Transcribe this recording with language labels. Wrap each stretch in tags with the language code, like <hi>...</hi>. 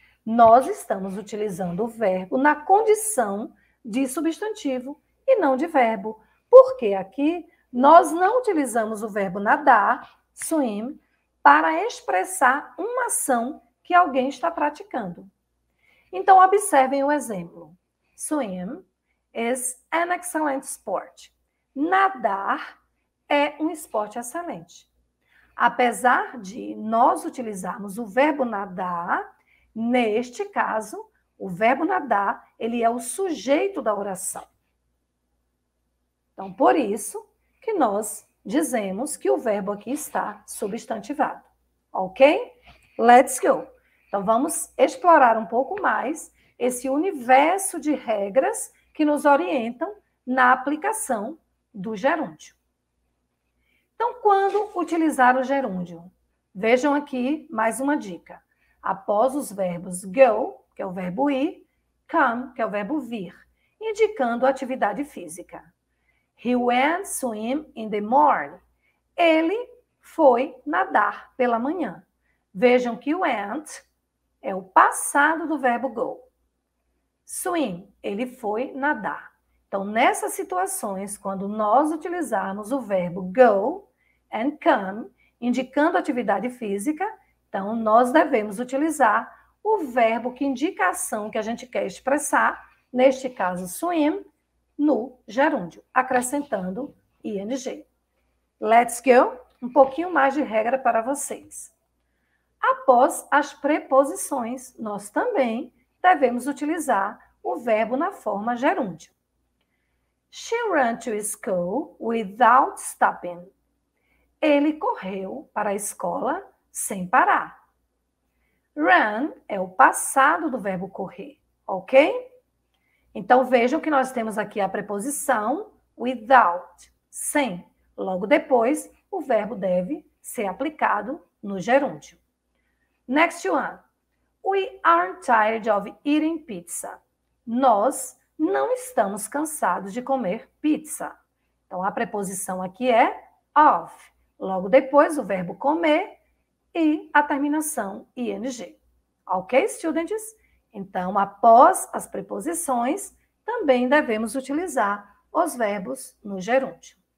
<pt>Nós estamos utilizando o verbo na condição de substantivo e não de verbo. Porque aqui nós não utilizamos o verbo nadar, swim, para expressar uma ação que alguém está praticando. Então observem o exemplo.</pt> <en>Swim is an excellent sport.</en> <pt>Nadar é um esporte excelente. Apesar de nós utilizarmos o verbo nadar, neste caso, o verbo nadar, ele é o sujeito da oração. Então, por isso que nós dizemos que o verbo aqui está substantivado. Ok?</pt> <en>Let's go.</en> <pt>Então, vamos explorar um pouco mais esse universo de regras que nos orientam na aplicação do gerúndio. Então, quando utilizar o gerúndio? Vejam aqui mais uma dica. Após os verbos go, que é o verbo ir, come, que é o verbo vir, indicando atividade física.</pt> <en>He went swim in the morning.</en> <pt>Ele foi nadar pela manhã. Vejam que o went é o passado do verbo go. Swim, ele foi nadar. Então, nessas situações, quando nós utilizarmos o verbo go and come, indicando atividade física, então nós devemos utilizar o verbo que indica a ação que a gente quer expressar, neste caso swim, no gerúndio, acrescentando ing.</pt> <en>Let's go.</en> <pt>Um pouquinho mais de regra para vocês. Após as preposições, nós também devemos utilizar o verbo na forma gerúndio.</pt> <en>She ran to school without stopping.</en> <pt>Ele correu para a escola sem parar. Run é o passado do verbo correr, ok? Então vejam que nós temos aqui a preposição without, sem. Logo depois, o verbo deve ser aplicado no gerúndio.</pt> <en>Next one. We aren't tired of eating pizza.</en> <pt>Nós não estamos cansados de comer pizza. Então, a preposição aqui é of. Logo depois, o verbo comer e a terminação ing.</pt> <en>Ok, students?</en> <pt>Então, após as preposições, também devemos utilizar os verbos no gerúndio.</pt>